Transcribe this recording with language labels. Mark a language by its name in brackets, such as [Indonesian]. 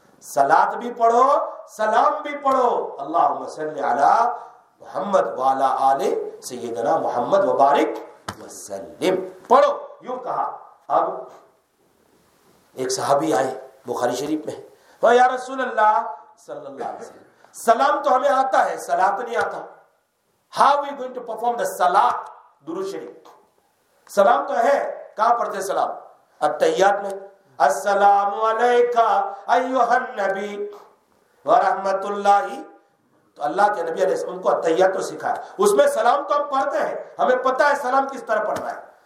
[Urdu] صلات بھی پڑھو, سلام بھی پڑھو. [Arabic] اللہم صلی علی محمد وعلی آل سیدنا محمد وبارک وسلم, [Urdu] پڑھو. یوں کہا. اب ایک صحابی آئے بخاری شریف میں, وہ یا رسول اللہ صلی اللہ علیہ وسلم, سلام تو ہمیں آتا ہے, صلات نہیں آتا. [English] How we going to perform the صلات, درود شریف. [Urdu] سلام تو ہے, کہاں پڑھتے سلام؟ التحیات میں. [Arabic] السلام علیکہ ایوہ النبی ورحمت اللہ. [Urdu] تو اللہ کے نبی علیہ السلام ان کو التحیات تو سکھایا, اس میں سلام تو ہم پڑھتے ہیں, ہمیں پتا ہے سلام کس طرح پڑھنا ہے.